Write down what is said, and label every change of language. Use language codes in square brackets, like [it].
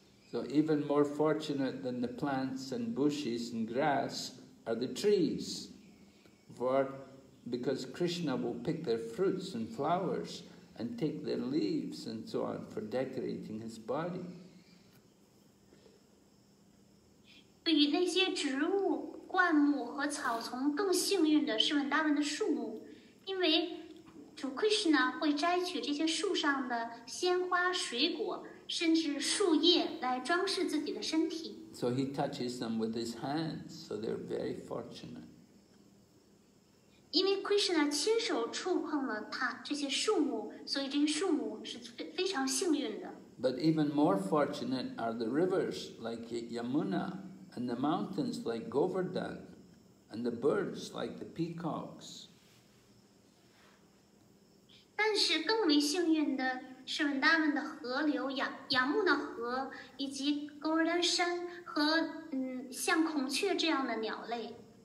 [en] So even more fortunate than the plants and bushes and grass are the trees, for because Krishna will pick their fruits and flowers and take their leaves and so on for decorating his body. [zh] 对于那些植物、灌木和草丛更幸运的是文达文的树木，因为主 Krishna 会摘取这些树上的鲜花、水果。甚至树叶来装饰自己的身体。 [en] So he touches them with his hands, so they're very fortunate. [zh] 因为 Krishna 亲手触碰了他这些树木，所以这些树木是非常幸运的。 [en] But even more fortunate are the rivers like Yamuna, and the mountains like Govardhan, and the birds like the peacocks. [zh] 但是更为幸运的。是文达文的河流雅木的河以及高尔丹山和像孔雀这样的鸟类。